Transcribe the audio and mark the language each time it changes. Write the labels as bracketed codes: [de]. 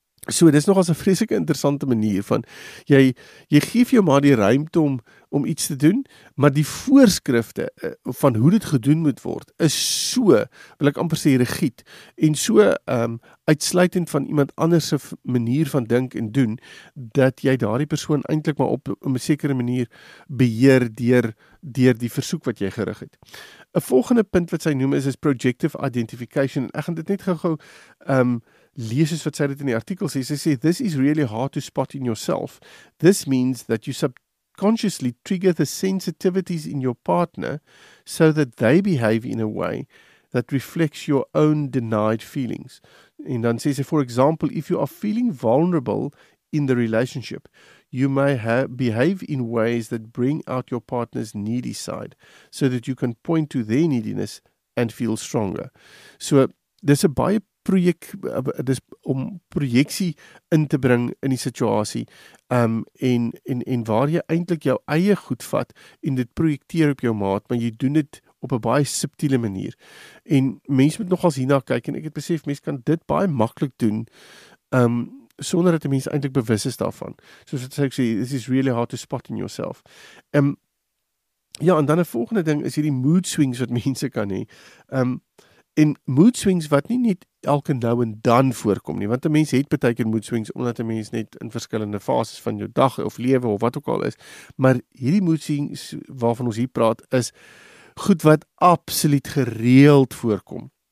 [af] So, dit is nogals 'n vreeslike interessante manier van, jy geef jou maar die ruimte om iets te doen, maar die voorskrifte van hoe dit gedoen moet word, is so, wil ek amper sê, rigied, en so uitsluitend van iemand anders se manier van dink en doen, dat jy daardie persoon eintlik maar op 'n sekere manier beheer deur die versoek wat jy gerig het. 'n volgende punt wat sy noem is projective identification. Ek gaan dit net gou-gou lees soos wat sy dit in die artikel sê. Sy sê, [en] this is really hard to spot in yourself. This means that you subconsciously trigger the sensitivities in your partner so that they behave in a way that reflects your own denied feelings. [af] En dan sê sy, [en] for example, if you are feeling vulnerable in the relationship, you may behave in ways that bring out your partner's needy side, so that you can point to their neediness and feel stronger. [af] So, dis a baie dis om projeksie in te bring in die situasie, en waar jy eintlik jou eie goed vat, en dit projekteer op jou maat, maar jy doen dit op 'n baie subtiele manier. En mens moet nogals hierna kyk, en ek het besef, mens kan dit baie maklik doen, sonder dat die mens eintlik bewus is daarvan. Soos wat sy ek sê, [en] this is really hard to spot in yourself. [af] Ja, en dan 'n volgende ding is hierdie mood swings wat mense kan hê. En mood swings wat nie net elke nou en dan voorkom nie, want die mens het baie keer mood swings, omdat die mens net in verskillende fases van jou dag of lewe of wat ook al is. Maar hierdie mood swings waarvan ons hier praat, is goed wat absoluut gereeld voorkom.